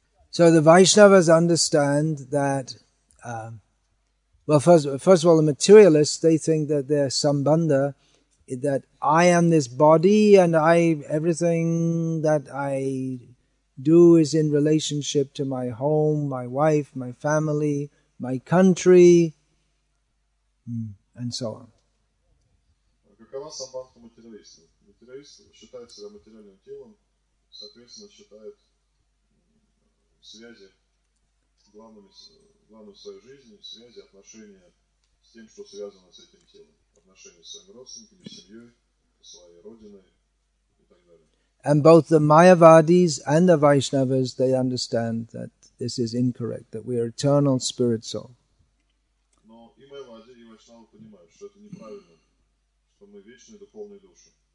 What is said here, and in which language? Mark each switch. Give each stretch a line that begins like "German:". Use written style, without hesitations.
English: So the Vaishnavas understand that Well, first of all, the materialists, they think that they're sambandha, that I am this body and everything that I do is in relationship to my home, my wife, my family, my country, and so on.
Russian: Какова самбандха материалистов? Материалисты считают себя материальным телом, соответственно, считают связи главными с главной своей жизни, связи, отношения с тем, что связано с этим телом, отношения с своими родственниками, семьей, своей родиной и так далее.
English: And both the Mayavadis and the Vaishnavas, they understand that this is incorrect, that we are eternal spirit soul.
Russian: Но и Майавади, и Вайшнавы понимают, что это неправильно, что мы вечные духовные души.